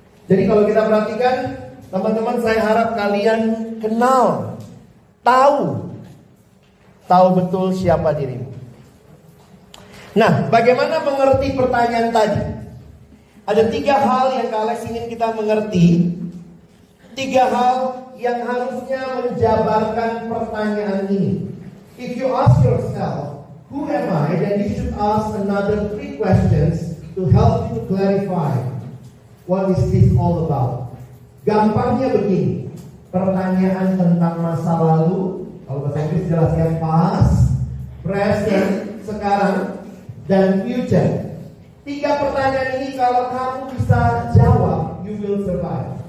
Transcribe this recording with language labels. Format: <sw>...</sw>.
<id>Jadi kalau kita perhatikan, teman-teman, saya harap kalian kenal, tahu betul siapa dirimu. Nah, bagaimana mengerti pertanyaan tadi? Ada tiga hal yang Kalex ingin kita mengerti, tiga hal yang harusnya menjabarkan pertanyaan ini.</id> <en>If you ask yourself, who am I? Then you should ask another three questions to help you to clarify what is this all about.</en> <id>Gampangnya begini, pertanyaan tentang masa lalu, kalau bahasa Inggris jelaskan past, present, sekarang, dan future. Tiga pertanyaan ini kalau kamu bisa jawab,</id> <en>you will survive.</en>